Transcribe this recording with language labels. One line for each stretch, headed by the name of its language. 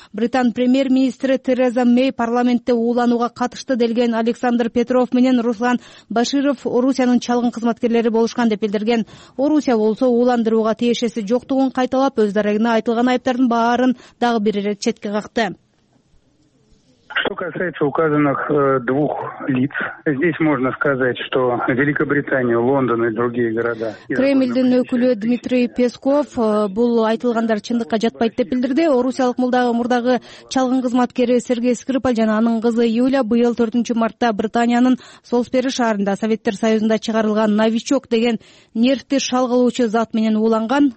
Kyrgyz: Британ премьер-министри Тереза Мей парламентте уулануга катышты делген Александр Петров менен Руслан Баширов Орусиянын чалгын кызматкерлери болушкан деп билдирген. Орусия болсо уландырууга тиешеси жок туун кайталап өз дарегине айтылган айыптардын баарын дагы бир ирет четке какты.
Russian: Что касается указанных двух лиц, здесь можно сказать, что Великобритания, Лондон и другие города.
Kyrgyz: Кремльдин өкүлү Дмитрий Песков бул айтылгандар чындыкка жатпайт деп билдирди. Орусиялык мурдагы чалгын кызматкери Сергей Скрипаль жана анын кызы Юлия быйыл 4 мартта Британиянын Солсбери шаарында Советтер Союзунда чыгарылган новичок деген нервти шалгылоочу зат менен ууланган.